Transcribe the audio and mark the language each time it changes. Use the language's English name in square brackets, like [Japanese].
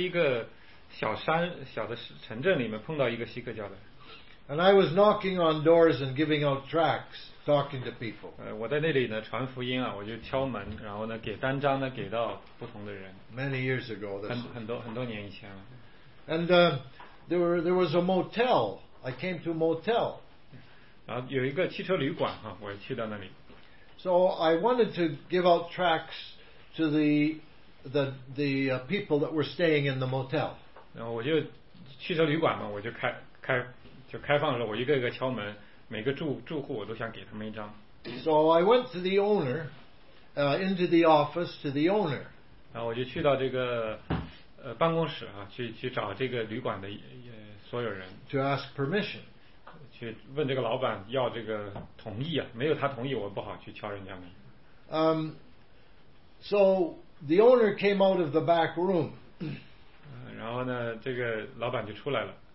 [Chinese] 一个小山小的城镇里面碰到一个锡克教的人。 [English] And I was knocking on doors and giving out tracts, talking to people. [Chinese] 我在那里呢传福音啊，我就敲门，然后呢给单张呢给到不同的人。 [English] Many years ago, [Chinese] 很多年以前了。 [English] And there was a motel. I came to a motel. [Chinese] 然后有一个汽车旅馆啊，我也去到那里。 [English] So I wanted to give out tracts to the people that were staying in the motel. [Chinese] 然后我就汽车旅馆嘛，我就开放的时候，我一个一个敲门，每个住户我都想给他们一张。 [English] So I went to the owner, into the office to the owner. [Chinese] 然后我就去到这个办公室啊，去找这个旅馆的所有人。 [English] To ask permission. [Chinese] 去问这个老板要这个同意啊，没有他同意我不好去敲人家门。 [English] So the owner came out of the back room. [Chinese] 然后呢，这个老板就出来了。